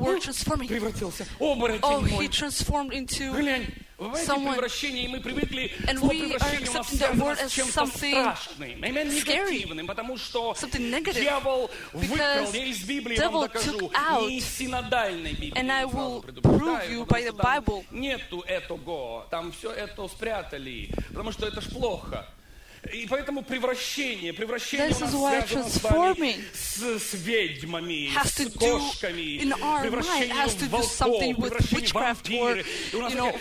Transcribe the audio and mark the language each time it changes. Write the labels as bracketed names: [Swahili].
[Russian] Превратился. Превратился. Оборотень мой. [English] He transformed into [Russian] превращение, и мы привыкли, слово «превращение» у нас связано с чем-то страшным. [English] Amen. [Russian] Негативным, потому что дьявол выкрал, я из Библии вам докажу, не из синодальной Библии. [English] And I will prove you by the Bible. [Russian] Нету этого, там все это спрятали, потому что это ж плохо. И поэтому превращение, превращение у нас связано с вами с ведьмами, с кошками, превращение в волков, превращение в вампиры. И у нас